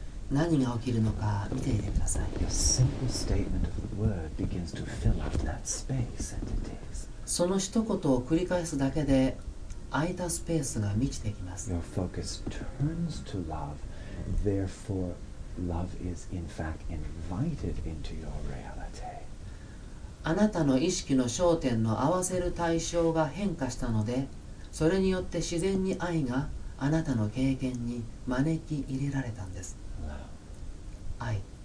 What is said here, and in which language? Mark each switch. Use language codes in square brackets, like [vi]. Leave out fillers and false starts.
[ja] 何が起きるのか見ていてください。 [en] Your simple statement of the word begins to fill up that space and it is. [ja] その一言を繰り返すだけで空いたスペースが満ちてきます。 [en] Your focus turns to love, therefore love is in fact invited into your reality. [ja] あなたの意識の焦点の合わせる対象が変化したので、それによって自然に愛があなたの経験に招き入れられたんです。愛。